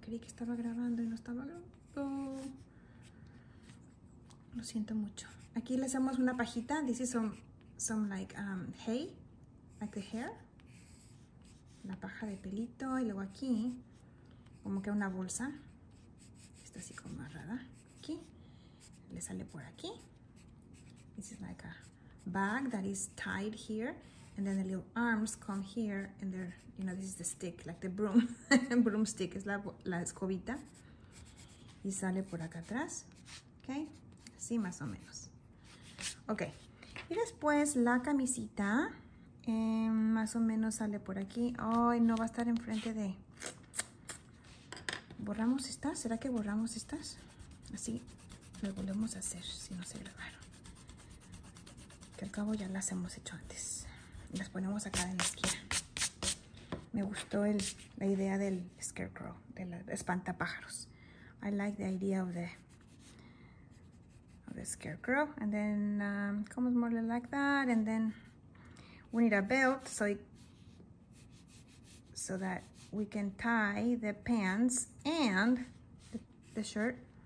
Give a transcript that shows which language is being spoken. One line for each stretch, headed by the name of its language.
Spanish: Creí que estaba grabando y no estaba grabando. Lo siento mucho. Aquí le hacemos una pajita.
English: This is some like hay, like the hair.
Spanish: La paja de pelito. Y luego aquí, como que una bolsa. Está así como amarrada. Aquí. Le sale por aquí.
English: This is like a bag that is tied here. And then the little arms come here. And they're, you know, this is the stick, like the broom.
Spanish: Broomstick es la escobita. Y sale por acá atrás. Okay. Sí, más o menos. Ok. Y después la camisita. Más o menos sale por aquí. Ay, no va a estar enfrente de... ¿Borramos estas? ¿Será que borramos estas? Así lo volvemos a hacer si no se grabaron. Que al cabo ya las hemos hecho antes. Las ponemos acá en la esquina. Me gustó la idea del scarecrow, del espantapájaros.
English: I like the idea of the... The scarecrow, and then comes more like that, and then we need a belt so that we can tie the pants and the shirt.